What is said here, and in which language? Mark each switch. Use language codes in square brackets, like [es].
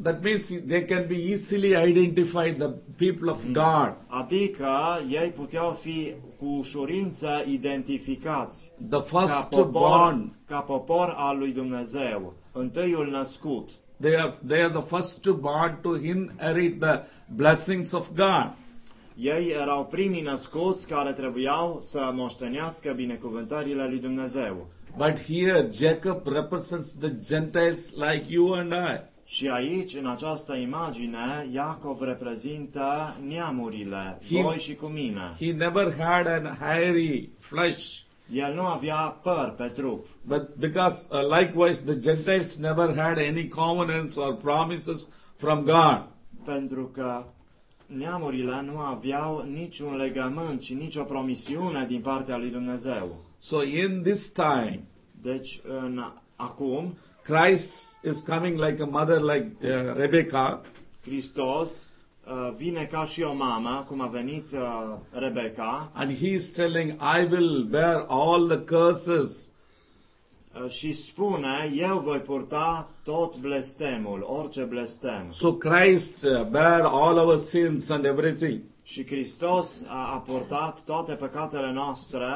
[en] That means they can be easily identified the people of God. [ro] Adică ei puteau fi cu ușurință identificați [en] the first born, [ro] ca popor al lui Dumnezeu, întâiul născut. [en] They are the first born to inherit the blessings of God. [ro] Ei erau primii născuți care trebuiau să moștenească binecuvântările lui Dumnezeu. [en] But here Jacob represents the Gentiles like you and I. [ro] Și aici, în această imagine, Iacov reprezintă neamurile, voi și cu mine. [en] He never had an hairy flesh. [ro] El nu avea păr pe trup. [en] But because likewise the Gentiles never had any covenants or promises from God. [ro] Pentru că neamurile nu aveau niciun legământ și nicio promisiune din partea lui Dumnezeu. [en] So in this time, [ro] deci în Acum, [en] Christ is coming like a mother, like Rebecca. [ro] Christos vine ca și o mamă, cum a venit Rebecca. [en] And he is telling, I will bear all the curses. [ro] Și spune, eu voi purta tot blestemul, orice blestem. [en] So Christ bear all our sins and everything. [ro] Și Hristos a purtat toate păcatele noastre.